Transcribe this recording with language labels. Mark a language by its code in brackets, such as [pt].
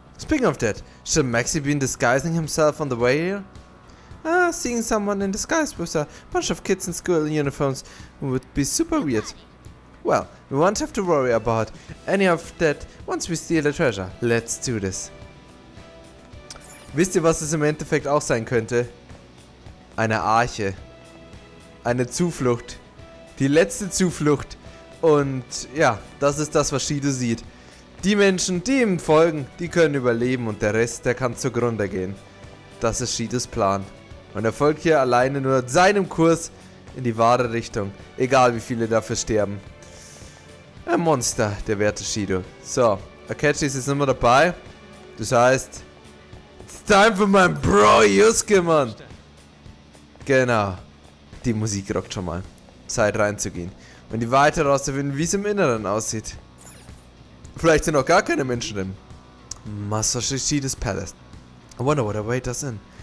[en] Speaking of that, should Maxi be disguising himself on the way here? Seeing someone in disguise with a bunch of kids in school uniforms would be super weird. Well, we won't have to worry about any of that once we steal the treasure. Let's do this. [de] Wisst ihr, was es im Endeffekt auch sein könnte? Eine Arche. Eine Zuflucht. Die letzte Zuflucht. Und ja, das ist das, was Shido sieht. Die Menschen, die ihm folgen, die können überleben und der Rest, der kann zugrunde gehen. Das ist Shidos Plan. Und er folgt hier alleine nur seinem Kurs in die wahre Richtung. Egal, wie viele dafür sterben. Ein Monster, der werte Shido. So, Akechi ist jetzt immer dabei. Das heißt, [en] it's time for my bro Yusuke, man. [de] Genau. Die Musik rockt schon mal. Zeit reinzugehen. Und die weiter rauszufinden, wie es im Inneren aussieht. Vielleicht sind auch gar keine Menschen drin. [en] Masashi Shido's Palace. I wonder what awaits us in.